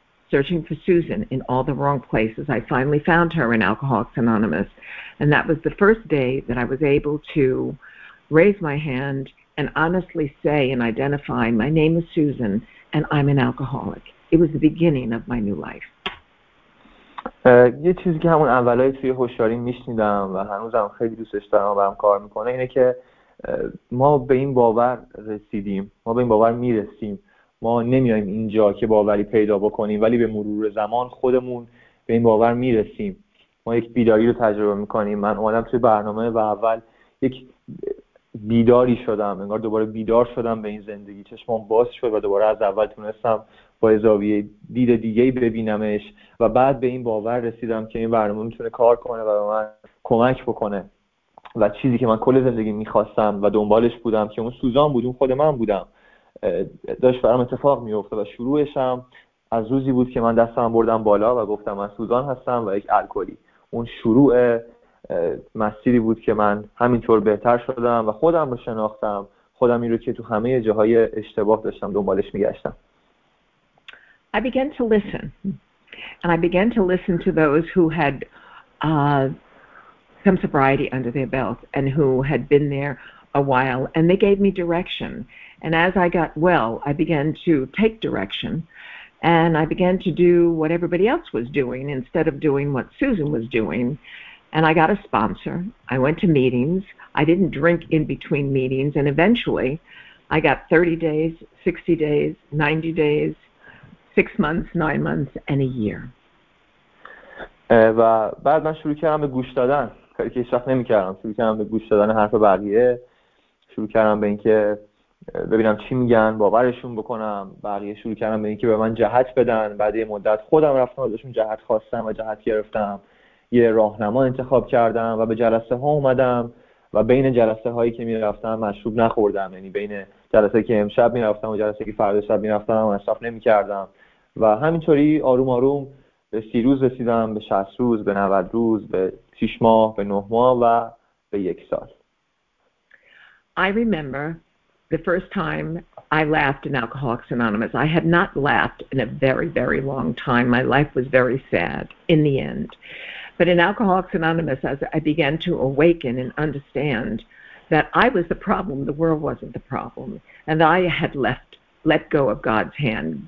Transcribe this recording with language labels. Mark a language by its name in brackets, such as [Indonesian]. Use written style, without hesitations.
[English] Searching for Susan in all the wrong places, I finally found her in Alcoholics Anonymous. And that was the first day that I was able to raise my hand and honestly say and identify, my name is Susan and I'm an alcoholic. It was the beginning of my new life. [Persian] یه چیزی که همون اولای توی هوشیاری میشنیدم و هنوزم خیلی دوستش دارم و هم کار میکنه اینه که ما به این باور رسیدیم، ما به این باور میرسیم، ما نمیایم اینجا که باوری پیدا بکنیم، ولی به مرور زمان خودمون به این باور میرسیم. ما یک بیداری رو تجربه میکنیم. من اومدم توی برنامه و اول یک بیداری شدم، انگار دوباره بیدار شدم به این زندگی، چشمام باز شد و دوباره از اول تونستم با زاویه دید دیگه ببینمش و بعد به این باور رسیدم که این برنامه میتونه کار کنه و به من کمک بکنه و چیزی که من کل زندگی میخواستم و دنبالش بودم که اون سوزان بود، اون خود من بودم، داشت برام اتفاق میفته و شروعشم از روزی بود که من دستم بردم بالا و گفتم من سوزان هستم و یک الکلی. اون شروع مسیری بود که من همینطور بهتر شدم و خودم رو شناختم، خودم این رو که تو همه جاهای اشتباه داشتم دنبالش میگشتم. [English] I began to listen, and I began to listen to those who had some sobriety under their belt and who had been there a while, and they gave me direction. And as I got well, I began to take direction, and I began to do what everybody else was doing instead of doing what Susan was doing. And I got a sponsor. I went to meetings. I didn't drink in between meetings, and eventually I got 30 days, 60 days, 90 days, 6 months, 9 months, and a year. [Persian] و بعد من شروع کردم به گوش دادن، کاری که هیچ‌وقت نمی‌کردم. شروع کردم به گوش دادن حرف بقیه، شروع کردم به اینکه ببینم چی میگن، باورشون بکنم. بقیه شروع کردم به اینکه به من جهت بدن. بعد یه مدت خودم رفتم ازشون جهت خواستم و جهت گرفتم، یه راهنما انتخاب کردم و به جلسه ها اومدم و بین جلسه هایی که میرفتم مشروب نخوردم، یعنی بین جلسه که امشب میرفتم و جلسه که فردا شب میرفتم مصرف نمی کردم و همینطوری آروم آروم به 30 روز رسیدم، به 60 روز، به 90 روز، به 6 ماه، به 9 ماه و به 1 سال. [English] I remember the first time I laughed in Alcoholics Anonymous. I had not laughed in a very, very long time. My life was very sad in the end. But in Alcoholics Anonymous, as I began to awaken and understand that I was the problem, the world wasn't the problem, and I had let go of God's hand.